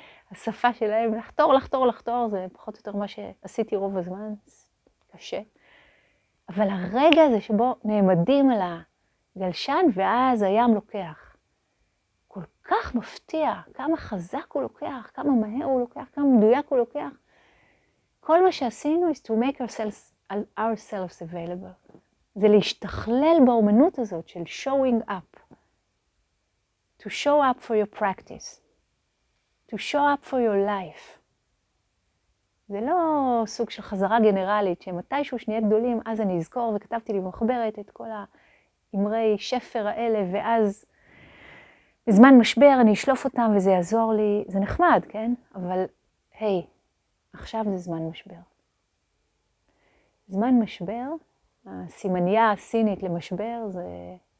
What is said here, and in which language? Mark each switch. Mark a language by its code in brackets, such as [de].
[he] השפה שלהם, לחתור, לחתור, לחתור, זה פחות או יותר מה שעשיתי רוב הזמן, זה קשה. אבל הרגע הזה שבו נעמדים על הגלשן, ואז הים לוקח. כל כך מפתיע, כמה חזק הוא לוקח, כמה מהר הוא לוקח, כמה מדויק הוא לוקח. כל מה שעשינו [en] is to make ourselves available. [he] זה להשתכלל באומנות הזאת של [en] showing up. To show up for your practice. To show up for your life. [he] זה לא סוג של חזרה גנרלית, שמתישהו שנהיה גדולים, אז אני אזכור, וכתבתי לי במחברת את כל האמרי שפר האלה, ואז בזמן משבר אני אשלוף אותם וזה יעזור לי. זה נחמד, כן? אבל, היי, עכשיו זה זמן משבר. זמן משבר, הסימניה הסינית למשבר זה...